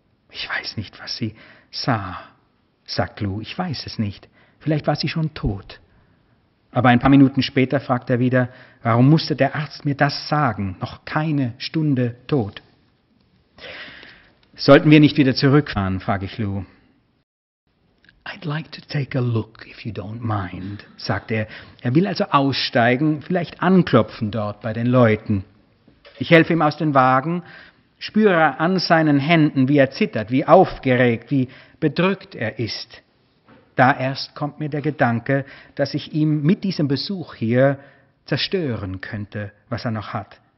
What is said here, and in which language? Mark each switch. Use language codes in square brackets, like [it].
[de] Ich weiß nicht, was sie sah, sagt Lou, ich weiß es nicht. Vielleicht war sie schon tot. Aber ein paar Minuten später fragt er wieder, warum musste der Arzt mir das sagen? Noch keine Stunde tot. Sollten wir nicht wieder zurückfahren, frage ich Lou. [en] I'd like to take a look, if you don't mind, [de] sagt er. Er will also aussteigen, vielleicht anklopfen dort bei den Leuten. Ich helfe ihm aus dem Wagen, spüre an seinen Händen, wie er zittert, wie aufgeregt, wie bedrückt er ist. Da erst kommt mir der Gedanke, dass ich ihm mit diesem Besuch hier zerstören könnte, was er noch hat.